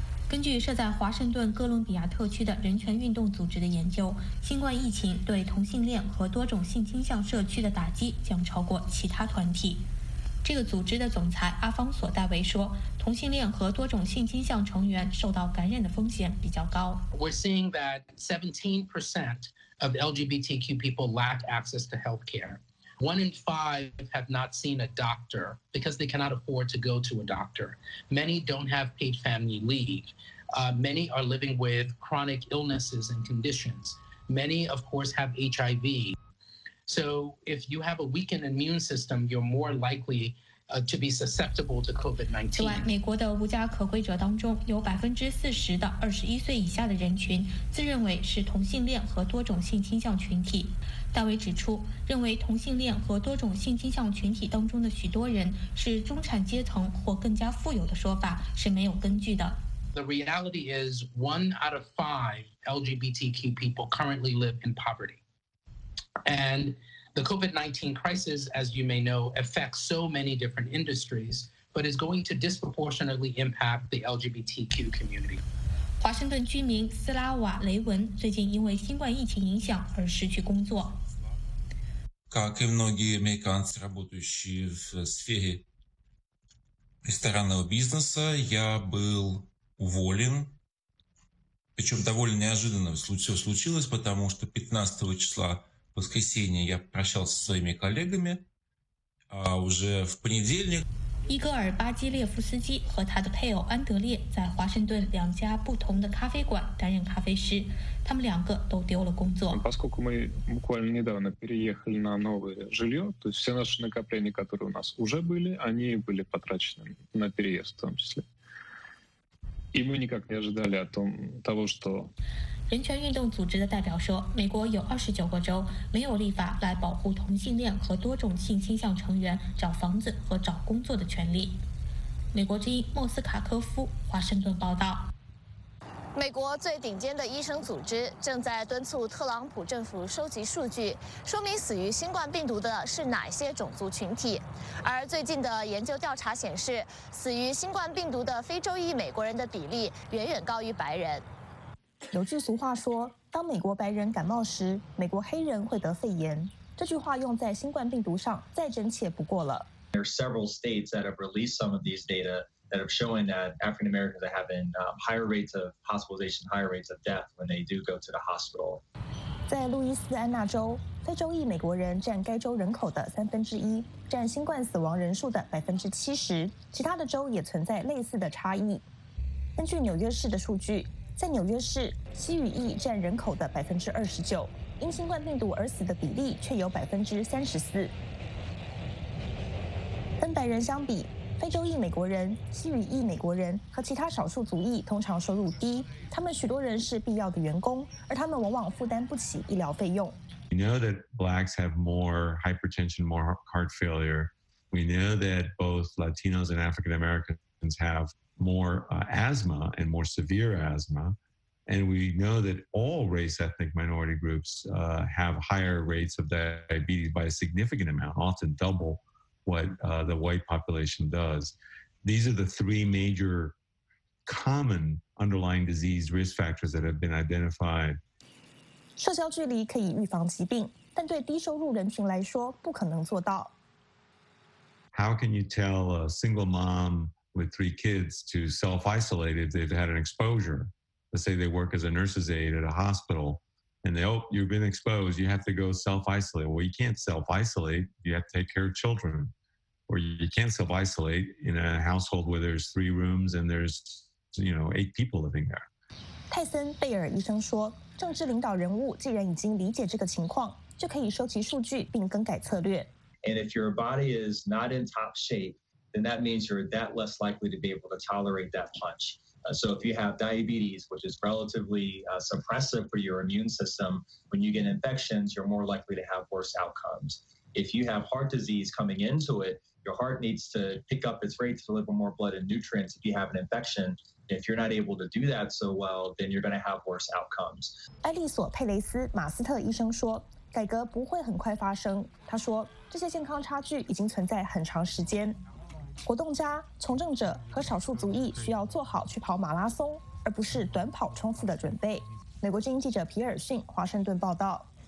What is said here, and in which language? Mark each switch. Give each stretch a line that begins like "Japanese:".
Chinese: 根据设在华盛顿哥伦比亚特区的人权运动组织的研究，新冠疫情对同性恋和多种性倾向社区的打击将超过其他团体。这个组织的总裁阿方索·戴维说，同性恋和多种性倾向成员受到感染的风险比较高。
English: We're seeing that 17% of LGBTQ people lack access to health care. 1 in 5 have not seen a doctor because they cannot afford to go to a doctor. Many don't have paid family leave. Many are living with chronic illnesses and conditions. Many, of course, have HIV. So if you have a weakened immune system, you're more likely to be susceptible to COVID-19.
Chinese: 此外，美国的无家可归者当中有40%的21岁以下的人群自认为是同性恋和多种性倾向群体。戴维指出，认为同性恋和多种性倾向群体当中的许多人是中产阶层或更加富有的说法是没有根据的。
English: The reality is 1 out of 5 LGBTQ people currently live in poverty. And the COVID-19 crisis, as you may know, affects so many different industries, but is going to disproportionately impact the LGBTQ community.
Chinese: 华盛顿居民斯拉瓦·雷文最近因为新冠疫情影响而失去工作。
Russian: Как и многие американцы, работающие в сфере ресторанного бизнеса, я был уволен. Причем довольно неожиданно все случилось, потому что 15 числа В воскресенье я прощался со своими коллегами, а уже в понедельник...
Chinese: 伊戈尔·巴基列夫斯基和他的配偶安德烈在华盛顿两家不同的咖啡馆担任咖啡师，他们两个都丢了工作。
Russian: Поскольку мы буквально недавно переехали на новое жилье, то есть все наши накопления, которые у нас уже были, они были потрачены на переезд в том числе. И мы никак не ожидали о том, того, что...
Chinese: 人权运动组织的代表说，美国有29个州没有立法来保护同性恋和多种性倾向成员找房子和找工作的权利。美国之音莫斯卡科夫华盛顿报道。美国最顶尖的医生组织正在敦促特朗普政府收集数据，说明死于新冠病毒的是哪些种族群体。而最近的研究调查显示，死于新冠病毒的非洲裔美国人的比例远远高于白人。有句俗话说，当美国白人感冒时，美国黑人会得肺炎。这句话用在新冠病毒上再真切不过了。
English: There are several states that have released some of these data that have shown that African Americans have been higher rates of hospitalization, higher rates of death when they do go to the hospital.
Chinese: 在路易斯安那州，非洲裔美国人占该州人口的1/3，占新冠死亡人数的70%，其他的州也存在类似的差异。根据纽约市的数据。在纽约市，西语裔占人口的29%，因新冠病毒而死的比例却有34%。跟白人相比，非洲裔美国人、西语裔美国人和其他少数族裔通常收入低，他们许多人是必要的员工，而他们往往负担不起医疗费用。
English: We know that blacks have more hypertension, more heart failure. We know that both Latinos and African Americans have more asthma and more severe asthma. And we know that all race ethnic minority groups have higher rates of diabetes by a significant amount, often double what the white population does. These are the three major common underlying disease risk factors that have been identified.
Chinese: 社交距离可以预防疾病，但对低收入人群来说不可能做到。
English: How can you tell a single mom with three kids to self-isolate if they've had an exposure? Let's say they work as a nurse's aide at a hospital, and they, oh, you've been exposed, you have to go self-isolate. Well, you can't self-isolate, you have to take care of children. Or you can't self-isolate in a household where there's three rooms and there's, you know, eight people living there.
Chinese: 泰森·贝尔医生说，政治领导人物既然已经理解这个情况，就可以收集数据并更改策略。
English: And if your body is not in top shape, then that means you're that less likely to be able to tolerate that punch. So if you have diabetes, which is relatively suppressive for your immune system, when you get infections, you're more likely to have worse outcomes. If you have heart disease coming into it, your heart needs to pick up its rate to deliver more blood and nutrients if you have an infection. If you're not able to do that so well, then you're going to have worse outcomes.
Chinese: 埃利索·佩雷斯·马斯特医生说，改革不会很快发生。他说，这些健康差距已经存在很长时间。活动家、从政者和少数族裔需要做好去跑马拉松，而不是短跑冲刺的准备。美国之音记者皮尔逊，华盛顿报道。